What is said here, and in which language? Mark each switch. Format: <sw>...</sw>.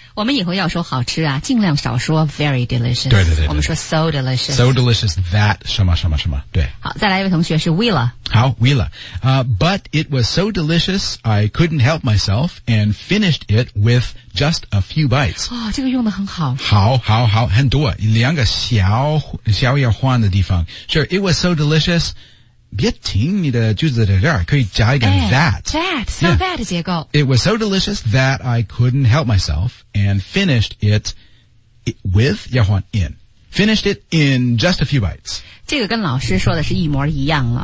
<zh>我们以后要说好吃啊，尽量少说</zh> <en>very delicious.</en> <zh>对对 对, 对，我们说</zh> <en>so delicious. So delicious that</en> <zh>什么什么什么，对。好，再来一位同学是 Willa。好 ，Willa。</zh> <en>But it was so delicious I couldn't help myself and finished it with just a few bites.</en> <zh>哦，这个用得很好。好，好，好，很多，两个小小要换的地方。</zh> <en>Sure, it was so delicious.</en> <zh>别停你的句子在这儿可以加一个 that</zh> <en>so、yeah. that 结构 It was so delicious that I couldn't help myself and finished it with</en> <zh>要换</zh> <en>in finished it in just a few bites</en> <zh>这个跟老师说的是一模一样了、</zh>